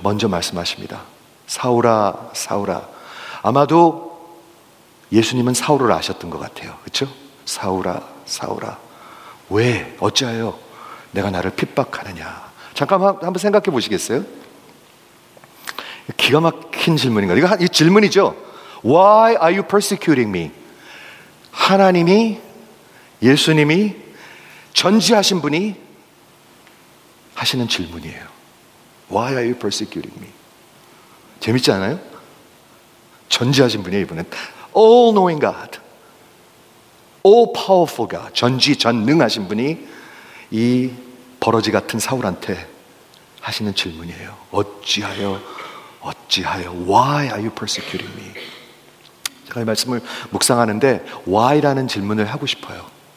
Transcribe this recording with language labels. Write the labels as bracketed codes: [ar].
[ko] 먼저 말씀하십니다. 사울아 사울아. 아마도 예수님은 사울을 아셨던 것 같아요. 그렇죠? 사울아 사울아 왜 어찌하여 내가 나를 핍박하느냐. 잠깐만 한번 생각해 보시겠어요? 기가 막힌 질문인가요? 이거 이 질문이죠. [en] Why are you persecuting me? [ko] 하나님이 예수님이 전지하신 분이 하시는 질문이에요. [en] Why are you persecuting me? [ko] 재밌지 않아요? 전지하신 분이에요. 이분은 [en] All knowing God, All powerful God, [ko] 전지전능하신 분이 이 버러지 같은 사울한테 하시는 질문이에요. 어찌하여 [en] Why are you persecuting me? [ko] 제가 이 말씀을 묵상하는데 Why라는 질문을 하고 싶어요.